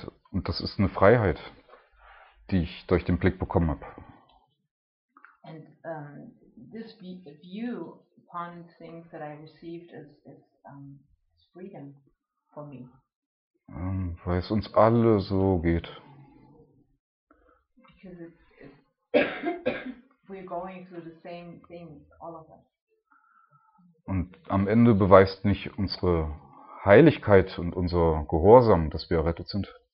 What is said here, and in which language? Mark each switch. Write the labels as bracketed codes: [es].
[de] Und das ist eine Freiheit, die ich durch den Blick bekommen habe. [en] And this view upon things that I received is freedom for me. [de] Weil es uns alle so geht. [en] Because we're going through the same things, all of us. [de] Und am Ende beweist nicht unsere Heiligkeit und unser Gehorsam, dass wir errettet sind.